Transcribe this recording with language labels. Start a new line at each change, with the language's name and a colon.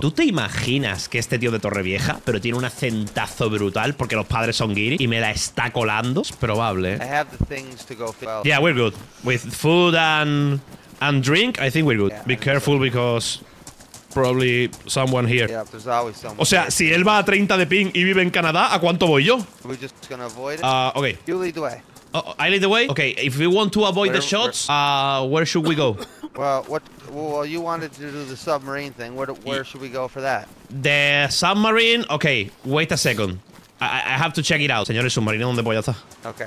Spanish: ¿Tú te imaginas que este tío de Torrevieja, pero tiene un acentazo brutal porque los padres son guiri y me la está colando? Es probable, ¿eh?
English: I have the things to go well. Yeah, we're good. With food and drink, I think we're good. Yeah, be careful because probably someone here. Yeah, there's always someone.
Spanish: O sea,
English: here.
Spanish: Si él va a 30 de ping y vive en Canadá, ¿a cuánto voy yo?
English: We're just gonna avoid it. Okay. You lead the way. I lead the way? Okay, if we want to avoid the shots, where should we go? Well, you wanted to do the submarine thing. Where should we go for that? The submarine? Okay, wait a second. I have to check it out.
Spanish: Señores, submarino, ¿dónde polla está?
English: Okay.